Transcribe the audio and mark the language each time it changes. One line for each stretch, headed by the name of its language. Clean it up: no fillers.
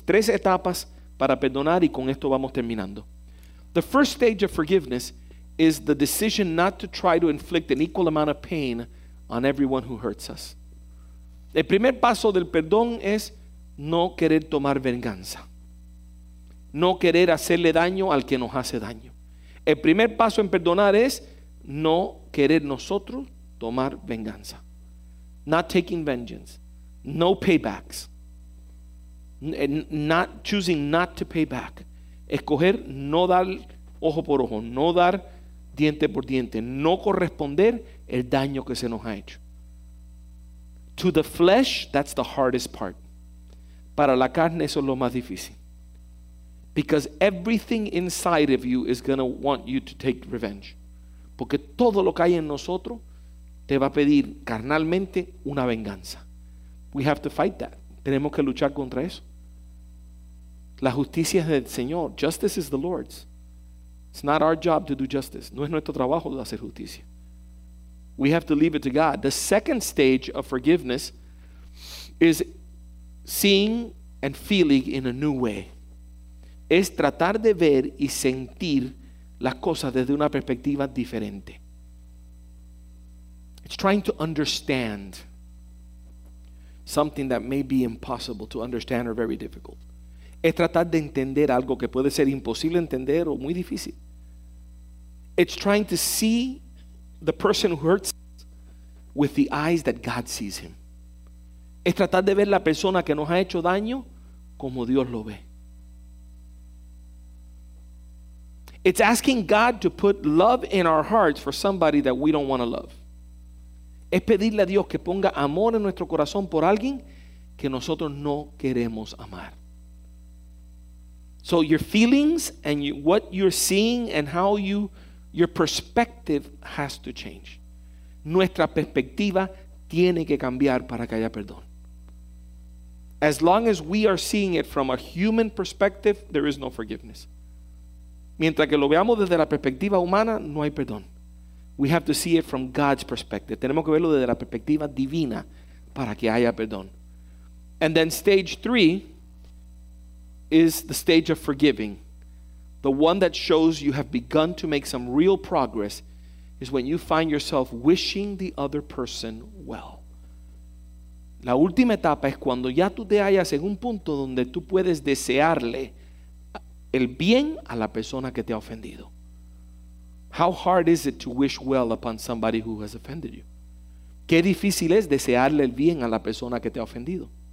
Spanish: 3 etapas para perdonar, y con esto vamos terminando.
English: The first stage of forgiveness is the decision not to try to inflict an equal amount of pain on everyone who hurts us.
Spanish: El primer paso del perdón es no querer tomar venganza. No querer hacerle daño al que nos hace daño. El primer paso en perdonar es no querer nosotros tomar venganza.
English: Not taking vengeance. No paybacks. Not choosing not to pay back.
Spanish: Escoger no dar ojo por ojo. No dar diente por diente. No corresponder el daño que se nos ha hecho.
English: To the flesh, that's the hardest part.
Spanish: Para la carne, eso es lo más difícil.
English: Because everything inside of you is going to want you to take revenge.
Spanish: Porque todo lo que hay en nosotros te va a pedir carnalmente una venganza.
English: We have to fight that.
Spanish: Tenemos que luchar contra eso. La justicia es del Señor.
English: Justice is the Lord's. It's not our job to do justice.
Spanish: No es nuestro trabajo de hacer justicia.
English: We have to leave it to God. The second stage of forgiveness is seeing and feeling in a new way.
Spanish: Es tratar de ver y sentir las cosas desde una perspectiva diferente.
English: It's trying to understand something that may be impossible to understand or very difficult.
Spanish: Es tratar de entender algo que puede ser imposible entender o muy difícil.
English: It's trying to see the person who hurts with the eyes that God sees him.
Spanish: Es tratar de ver la persona que nos ha hecho daño como Dios lo ve.
English: It's asking God to put love in our hearts for somebody that we don't want to love.
Spanish: Es pedirle a Dios que ponga amor en nuestro corazón por alguien que nosotros no queremos amar.
English: So your feelings and you, what you're seeing and how you, your perspective has to change.
Spanish: Nuestra perspectiva tiene que cambiar para que haya perdón.
English: As long as we are seeing it from a human perspective, there is no forgiveness.
Spanish: Mientras que lo veamos desde la perspectiva humana, no hay perdón.
English: We have to see it from God's perspective.
Spanish: Tenemos que verlo desde la perspectiva divina para que haya perdón.
English: And then stage three is the stage of forgiving. The one that shows you have begun to make some real progress is when you find yourself wishing the other person well.
Spanish: La última etapa es cuando ya tú te hallas en un punto donde tú puedes desearle el bien a la persona que te ha ofendido.
English: How hard is it to wish well upon somebody who has offended you?
Spanish: Qué difícil es desearle el bien a la persona que te ha ofendido.